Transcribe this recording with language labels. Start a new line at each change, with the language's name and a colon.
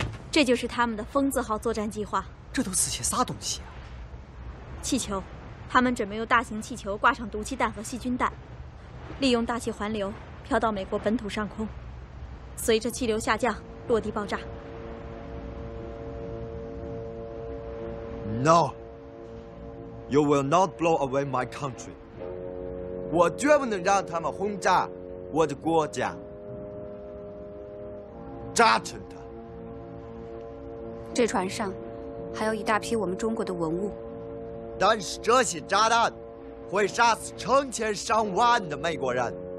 Chinese: 这就是他们的疯子号作战计划。这都是些啥东西啊？气球，他们准备用大型气球挂上毒气弹和细菌弹，利用大气环流飘到美国本土上空，随着气流下降落地爆炸。
English: No, you will not blow away my country.
Chinese: 我绝不能让他们轰炸我的国家，炸沉它。这船上还有一大批我们中国的文物，但是这些炸弹会杀死成千上万的美国人。